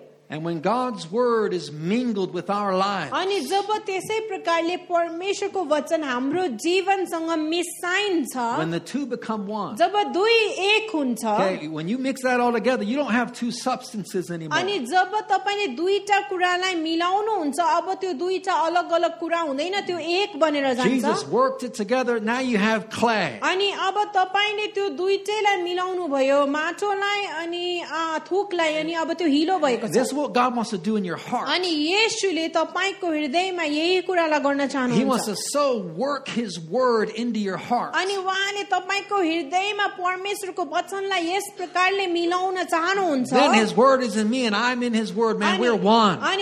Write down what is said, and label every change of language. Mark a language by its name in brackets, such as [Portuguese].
[English] And when God's word is mingled with our lives, [Nepali] अनि जब त्यसै प्रकारले परमेश्वरको वचन हाम्रो जीवनसँग मिसाइन्छ, [English] when the two become one, [Nepali] जब दुई एक हुन्छ, [English] okay, when you mix that all together, you don't have two substances anymore. [Nepali] अनि जब तपाईले दुईटा कुरालाई मिलाउनु हुन्छ, अब त्यो दुईटा अलग-अलग कुरा हुँदैन, त्यो एक बनेर जान्छ. [English] Jesus worked it together. Now you have clay. [Nepali] अनि अब तपाईले त्यो दुईटैलाई मिलाउनु भयो, माटोलाई अनि थुकलाई, अनि अब त्यो हिलो भएको छ. [English] That's what God wants to do in your heart. He wants to so work His word into your heart. Then His word is in me and I'm in His word. Man, we're one.